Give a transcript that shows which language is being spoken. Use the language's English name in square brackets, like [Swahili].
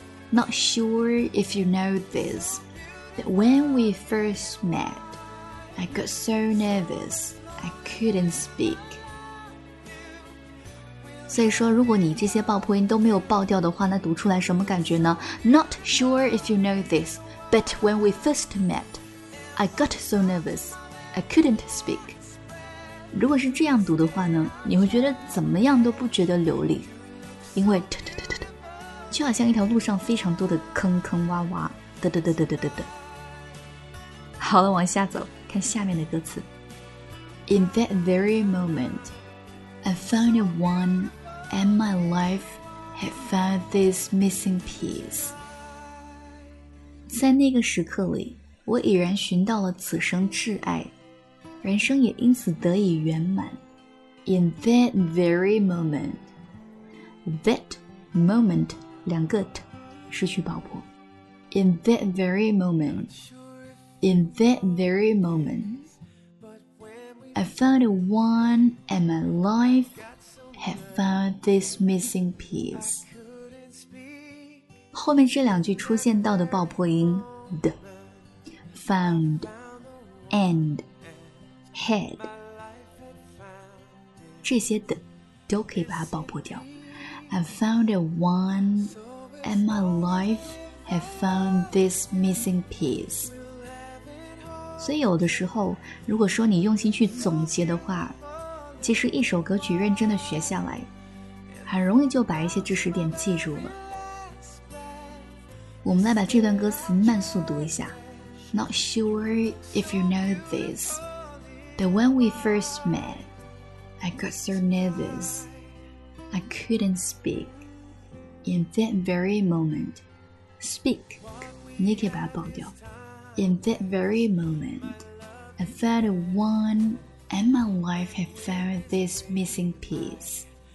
[English] Not sure if you know this, but when we first met, I got so nervous, I couldn't speak. [Chinese] 所以说如果你这些爆破音都没有爆掉的话，那读出来什么感觉呢？ [English] Not sure if you know this, but when we first met, I got so nervous, I couldn't speak. [Chinese] 如果是这样读的话呢，你会觉得怎么样都不觉得流利，因为就好像一条路上非常多的坑坑洼洼，得得得得得得得。好了，往下走，看下面的歌词。 [English] In that very moment, I found a one and my life had found this missing piece. [Chinese] 在那个时刻里，我已然寻到了此生挚爱，人生也因此得以圆满。 [English] In that very moment, that moment, [Chinese] 两个 t, 失去爆破。 [English] In that very moment, in that very moment, I found a one and my life had found this missing piece. [Chinese] 后面这两句出现到的爆破音 d, found, and, had,这些的都可以把它爆破掉。 [English] I found a one and my life have found this missing piece. [Chinese] 所以有的时候，如果说你用心去总结的话，其实一首歌曲认真的学下来，很容易就把一些知识点记住了。我们来把这段歌词慢速读一下。 [English] Not sure if you know this, but when we first metI got so nervous, I couldn't speak. In that very moment, speak, [Chinese] 你也可以把它爆掉。 [English] In that very moment, I found a one and my life had found this missing piece.